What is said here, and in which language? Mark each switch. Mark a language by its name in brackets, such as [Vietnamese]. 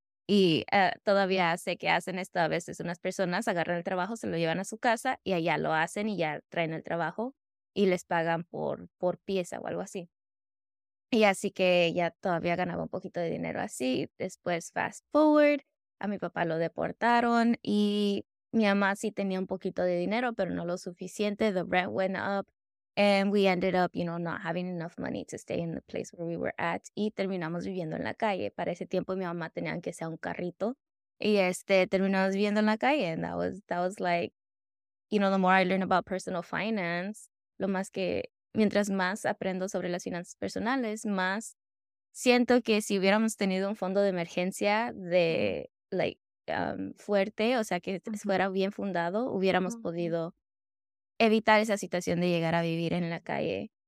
[Spanish] Y todavía sé que hacen esto a veces, unas personas agarran el trabajo, se lo llevan a su casa y allá lo hacen y ya traen el trabajo y les pagan por pieza o algo así. Y así que ya todavía ganaba un poquito de dinero así. Después, [English] fast forward, [Spanish] a mi papá lo deportaron y mi mamá sí tenía un poquito de dinero, pero no lo suficiente. [English] The rent went up and we ended up, you know, not having enough money to stay in the place where we were at. [Spanish] Y terminamos viviendo en la calle. Para ese tiempo mi mamá tenía aunque sea un carrito. Y terminamos viviendo en la calle. [English] And that was like, you know, the more I learn about personal finance, [Spanish] mientras más aprendo sobre las finanzas personales, más siento que si hubiéramos tenido un fondo de emergencia de, like, fuerte, o sea, que fuera bien fundado, hubiéramos podido evitar esa situación de llegar a vivir en la calle.